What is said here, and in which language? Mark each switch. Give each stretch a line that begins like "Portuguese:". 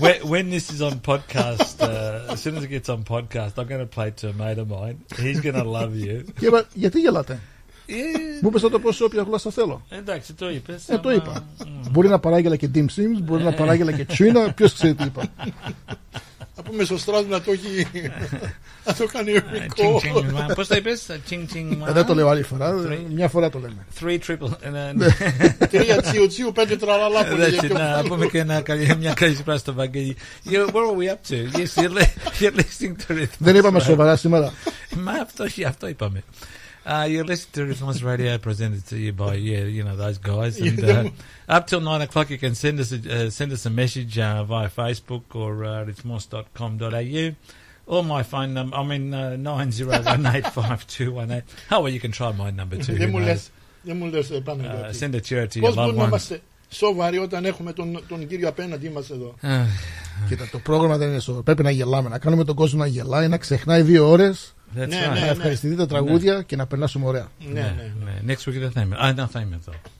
English: When this is on podcast, as soon as it gets on podcast, I'm going to play it to a mate of mine. He's going to love you. Yeah, but
Greek: γιατί γελάτε; Μου πες να το πω σε όποια γλώσσα θέλω. Εντάξει, το είπες. Το είπα. Μπορεί να παράγει αλλά και dim sims, μπορεί να παράγει αλλά και τσίνα, ποιος ξέρει τι είπα. Να πούμε στο στράτο να το έχει. Να το κάνει ο Ρικό. Πώς το είπες, τσινγκ τσινγκ. Δεν το λέω άλλη φορά, μια φορά το λέμε.
English: Three triple.
Greek: Τρία τσιου τσιου, πέντε τραλαλά που λέει. Να πούμε και μια καλή σπρά στο Βαγγέλη.
English: Where are we up to? Yes, you're listening to it.
Greek: Δεν είπαμε σοβαρά σήμερα. Μα αυτό είπαμε.
English: You're listening to Rhythmus Radio presented to you by those guys. And up till 9 o'clock, you can send us a message via Facebook or rhythmus.com.au, or my phone number. I mean 9018 5218. Oh well, you can try my number too. Send a cheer to your loved ones.
Greek: Σοβαροί όταν έχουμε τον κύριο απέναντί μας εδώ. Κοίτα, το πρόγραμμα δεν είναι σοβαρό. Πρέπει να γελάμε, να κάνουμε τον κόσμο να γελάει, να ξεχνάει δύο ώρες. Να ευχαριστηθεί τα τραγούδια και να περνάσουμε ωραία.
English: Next week
Greek: δεν θα είμαι. Δεν θα είμαι εδώ.